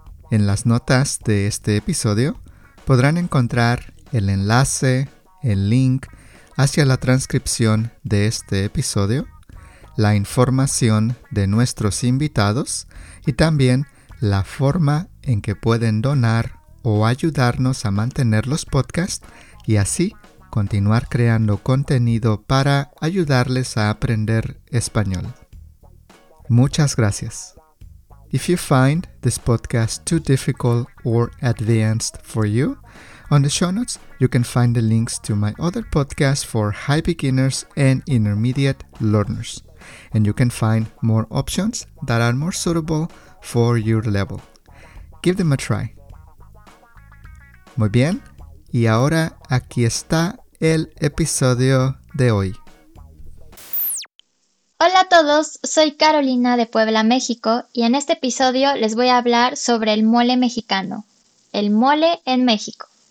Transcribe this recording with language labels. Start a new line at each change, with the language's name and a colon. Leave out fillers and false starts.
Spanish: En las notas de este episodio podrán encontrar el enlace, el link hacia la transcripción de este episodio, la información de nuestros invitados y también la forma en que pueden donar o ayudarnos a mantener los podcasts y así continuar creando contenido para ayudarles a aprender español. Muchas gracias.
English: If you find this podcast too difficult or advanced for you, on the show notes you can find the links to my other podcasts for high beginners and intermediate learners. And you can find more options that are more suitable for your level. Give them a try.
Spanish: Muy bien. Y ahora aquí está el episodio de hoy. Hola a todos, soy Carolina de Puebla, México, y en este episodio les voy a hablar sobre el mole mexicano, el mole en México.